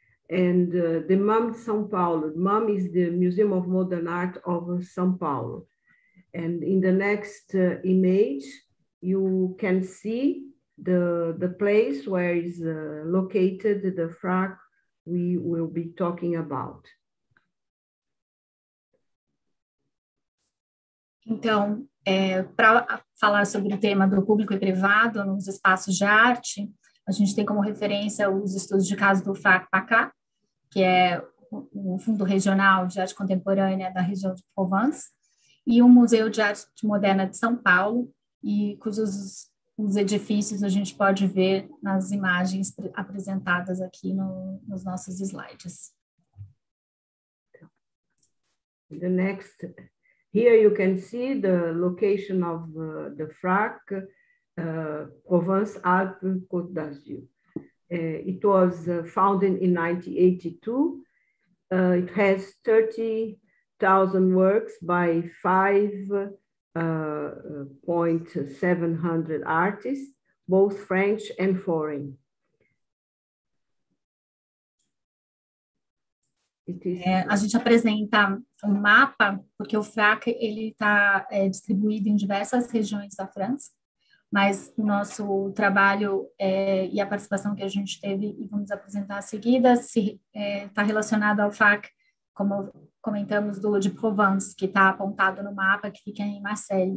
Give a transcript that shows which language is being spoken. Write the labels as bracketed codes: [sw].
[en] And the MAM São Paulo, MAM is the Museum of Modern Art of São Paulo. And in the next image, you can see the place where is located the FRAC we will be talking about. [pt] Então, para falar sobre o tema do público e privado nos espaços de arte, a gente tem como referência os estudos de caso do FRAC-PACA, que é o Fundo Regional de Arte Contemporânea da região de Provence, e o Museu de Arte Moderna de São Paulo, e cujos os edifícios a gente pode ver nas imagens apresentadas aqui no, nos nossos slides. [en] The next... Here you can see the location of the FRAC, Provence Alpes Côte d'Azur. It was founded in 1982. It has 30,000 works by 5,700 artists, both French and foreign. [pt] A gente apresenta um mapa, porque o FRAC está distribuído em diversas regiões da França, mas o nosso trabalho e a participação que a gente teve e vamos apresentar a seguida está relacionado ao FRAC, como comentamos, do de Provence, que está apontado no mapa, que fica em Marseille.